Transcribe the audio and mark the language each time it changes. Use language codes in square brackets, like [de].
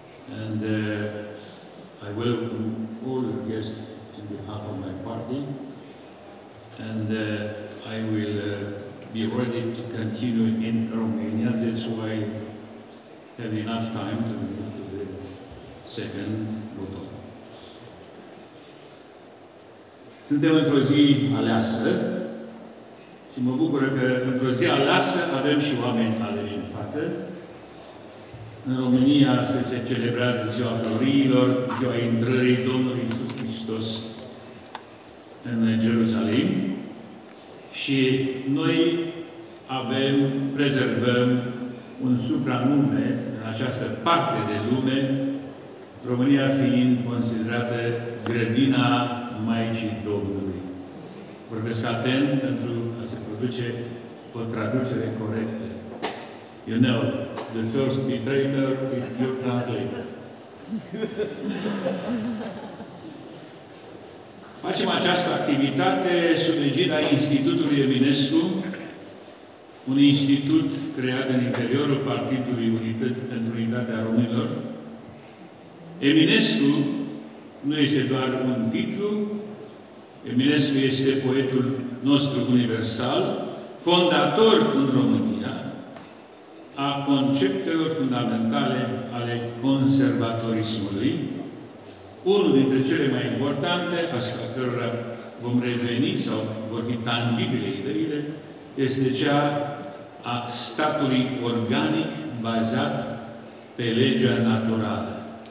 [en] And I welcome all the guests on behalf of my party. And I will be ready to continue in Romania. That's why I have enough time to move to the second voton. [ro] Suntem într-o zi aleasă și mă bucură că într-o zi aleasă avem și oameni aleși în față. În România se celebrează Ziua Florilor, Ziua Intrării Domnului Iisus Hristos în Ierusalim și noi avem, prezervăm un supranume în această parte de lume, România fiind considerată grădina Maicii Domnului. Vorbesc atent pentru a se produce o traducere corectă. [en] You know, the first betrayer is your translator. [ro] Facem această activitate sub egida Institutului Eminescu, un institut creat în interiorul Partidului pentru Unitatea Românilor. Eminescu nu este doar un titlu, Eminescu este poetul nostru universal, fondator în România a conceptelor fundamentale ale conservatorismului, unul dintre cele mai importante, asupra cărora vom reveni sau vor fi tangibile ideile, este cea a statului organic bazat pe legea naturală.